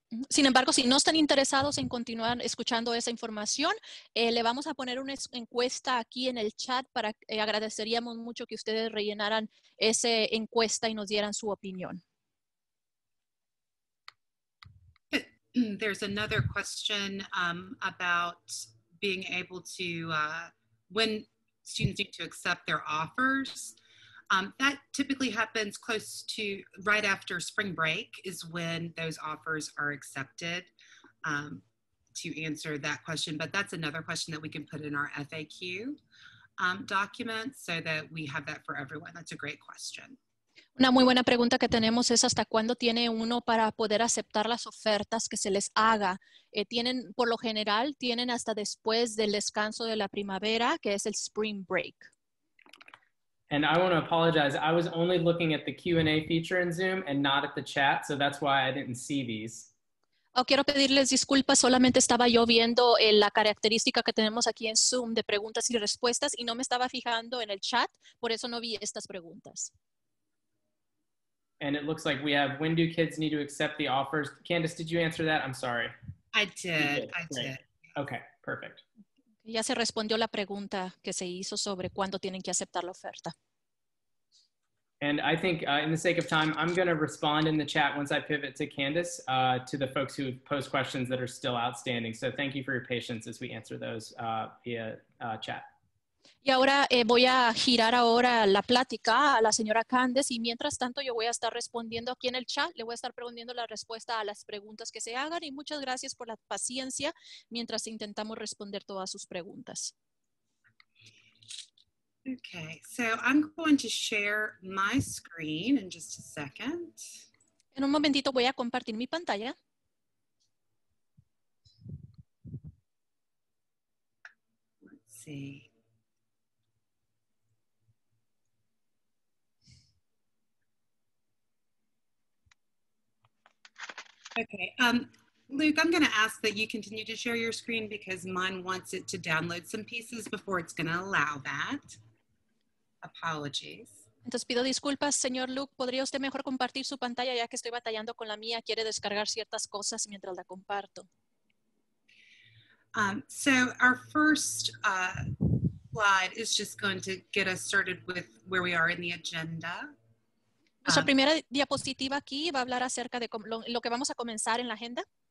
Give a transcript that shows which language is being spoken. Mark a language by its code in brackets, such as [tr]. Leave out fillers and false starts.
[es] Sin embargo, si no están interesados en continuar escuchando esa información, le vamos a poner una encuesta aquí en el chat para agradeceríamos mucho que ustedes rellenaran esa encuesta y nos dieran su opinión. [en] There's another question about being able to, when students need to accept their offers. That typically happens close to right after spring break is when those offers are accepted to answer that question. But that's another question that we can put in our FAQ document so that we have that for everyone. That's a great question. [es] Una muy buena pregunta que tenemos es hasta cuándo tiene uno para poder aceptar las ofertas que se les haga. Tienen, por lo general, tienen hasta después del descanso de la primavera, que es el [en] spring break. And I want to apologize. I was only looking at the Q&A feature in Zoom and not at the chat, so that's why I didn't see these. [es] Oh, quiero pedirles disculpas. Solamente estaba yo viendo la característica que tenemos aquí en Zoom de preguntas y respuestas y no me estaba fijando en el chat. Por eso no vi estas preguntas. [en] And it looks like we have, when do kids need to accept the offers? Candace, did you answer that? I'm sorry. I did. Okay, perfect. [es] Ya se respondió la pregunta que se hizo sobre cuándo tienen que aceptar la oferta. [en] And I think in the sake of time, I'm going to respond in the chat once I pivot to Candace, to the folks who post questions that are still outstanding. So thank you for your patience as we answer those via chat. [es] Y ahora voy a girar ahora la plática a la señora Candace y mientras tanto yo voy a estar respondiendo aquí en el chat, le voy a estar preguntando la respuesta a las preguntas que se hagan y muchas gracias por la paciencia mientras intentamos responder todas sus preguntas. [en] Okay, so I'm going to share my screen in just a second. [es] En un momentito voy a compartir mi pantalla. [en] Let's see. Okay, Luke, I'm going to ask that you continue to share your screen because mine wants it to download some pieces before it's going to allow that. Apologies. [es] Entonces pido disculpas, señor Luke. ¿Podría usted mejor compartir su pantalla ya que estoy batallando con la mía? Quiere descargar ciertas cosas mientras la comparto. [en] So our first slide is just going to get us started with where we are in the agenda. [es] Nuestra primera diapositiva aquí va a hablar acerca de lo que vamos a comenzar en la agenda.